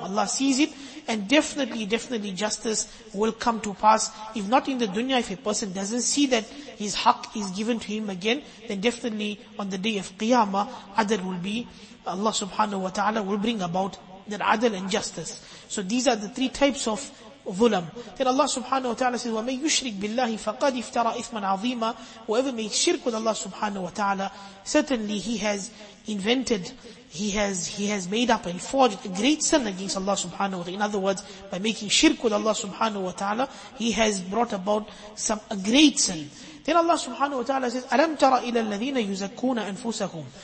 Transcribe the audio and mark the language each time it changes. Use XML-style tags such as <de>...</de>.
<en>Allah sees it, and definitely justice will come to pass. If not in the dunya, if a person doesn't see that his haq is given to him again, then definitely on the day of qiyamah, adl will be, Allah subhanahu wa ta'ala will bring about that adl and justice. So these are the three types of zulam. Then Allah subhanahu wa ta'ala says,</en> <ar>وَمَنْ يُشْرِكْ بِاللَّهِ فَقَدْ افْتَرَى إِثْمًا عَظِيمًا.</ar> <en>Whoever makes shirk with Allah subhanahu wa ta'ala, certainly he has invented, he has made up and forged a great sin against Allah subhanahu wa ta'ala. In other words, by making shirk with Allah subhanahu wa ta'ala, he has brought about a great sin. Then Allah subhanahu wa ta'ala says,</en> <ar>أَلَمْ تَرَ إِلَى الَّذِينَ يُزَكُّونَ أَنفُسَهُمْ.</ar>